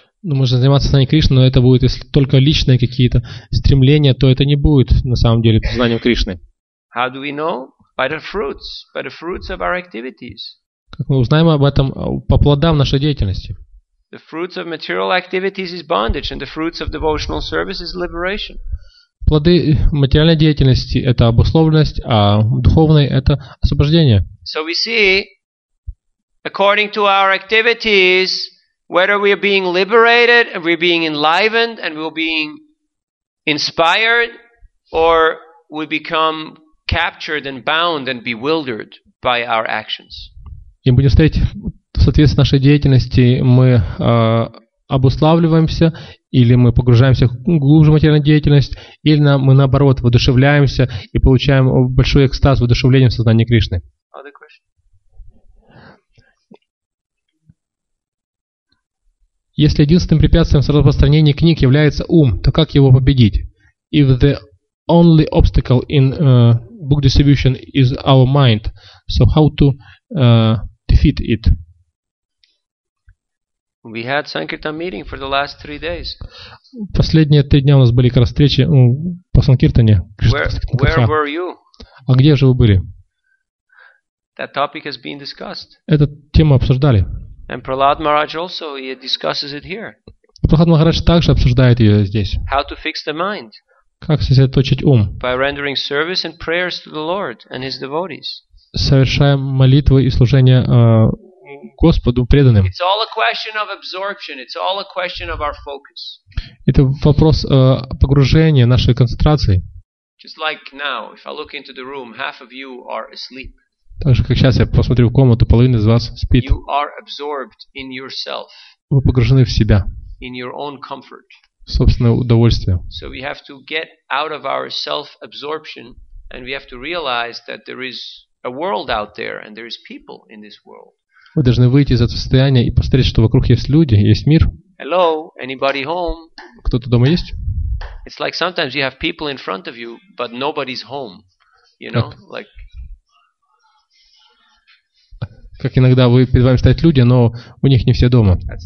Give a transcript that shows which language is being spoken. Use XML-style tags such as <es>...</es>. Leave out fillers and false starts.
<ru>Ну, можно заниматься сознанием Кришны, но это будет, если только личные какие-то стремления, то это не будет на самом деле сознанием Кришны.</ru> <en>How do we know? By the fruits of our activities.</en> <ru>Как мы узнаем об этом по плодам нашей деятельности?</ru> <en>The fruits of material activities is bondage, and the fruits of devotional service is liberation.</en> <ru>Плоды материальной деятельности – это обусловленность, а духовной – это освобождение.</ru> <en>So we see, according to our activities, whether we are being liberated, we are being enlivened, and we are being inspired, or we become captured and bound and bewildered by our actions.</en> <ru>И будем смотреть, в соответствии с нашей деятельностью мы обуславливаемся или мы погружаемся в глубже материальную деятельность, или мы наоборот воодушевляемся и получаем большой экстаз воодушевлением сознания Кришны. Если единственным препятствием в распространении книг является ум, то как его победить?</ru> <en>If the only obstacle in book distribution is our mind, so how to defeat it? We had Sankirtan meeting for the last 3 days.</en> <ru>Последние 3 дня у нас были как раз встречи по Санкиртане.</ru> <en>Where were you?</en> <ru>А где же вы были?</ru> <en>That topic has been discussed.</en> <ru>Эту тему обсуждали.</ru> <en>And Prahlad Maharaj also he discusses it here.</en> <ru>Prahlad Maharaj также обсуждает ее здесь.</ru> <en>How to fix the mind?</en> <ru>Как сосредоточить ум?</ru> <en>By rendering service and prayers to the Lord and His devotees.</en> <ru>Совершая молитвы и служение Господу преданным.</ru> <en>It's all a question of absorption. It's all a question of our focus.</en> <ru>Это вопрос погружения нашей концентрации.</ru> <en>Just like now, if I look into the room, half of you are asleep.</en> <ru>Так же, как сейчас я посмотрю в комнату, половина из вас спит.</ru> <en>You are absorbed in yourself.</en> <ru>Вы погружены в себя.</ru> <en>In your own comfort.</en> <ru>Собственное удовольствие.</ru> <en>So we have to get out of our self-absorption and we have to realize that there is a world out there and there is people in this world.</en> <ru>Вы должны выйти из этого состояния и посмотреть, что вокруг есть люди, есть мир.</ru> <en>Hello, anybody home?</en> <ru>Кто-то дома есть?</ru> <en>It's like sometimes you have people in front of you, but nobody's home. You know, like.</en> <ru>Как иногда вы перед вами стоят люди, но у них не все дома.</ru>